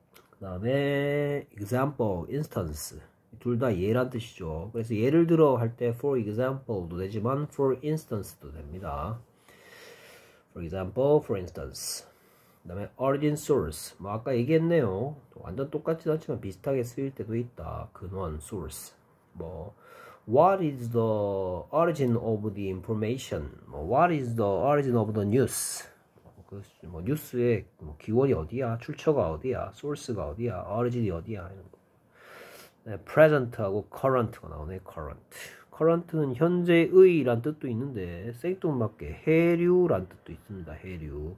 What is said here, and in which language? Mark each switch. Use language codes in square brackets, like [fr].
[ko] 그 다음에 example, instance 둘다 예란 뜻이죠. 그래서 예를 들어 할때 for example도 되지만 for instance도 됩니다. [en] For example, for instance. [ko] 그 다음에 origin source 뭐 아까 얘기했네요. 완전 똑같진 않지만 비슷하게 쓰일 때도 있다. 근원, source. [en] 뭐 what is the origin of the information? 뭐 what is the origin of the news? [ko] 뭐 뉴스의 기원이 어디야? 출처가 어디야? 소스가 어디야? 어리진이 어디야? 이런 거. 네, present하고 current가 나오네. current는 현재의란 뜻도 있는데 생뚱맞게 해류란 뜻도 있습니다. 해류.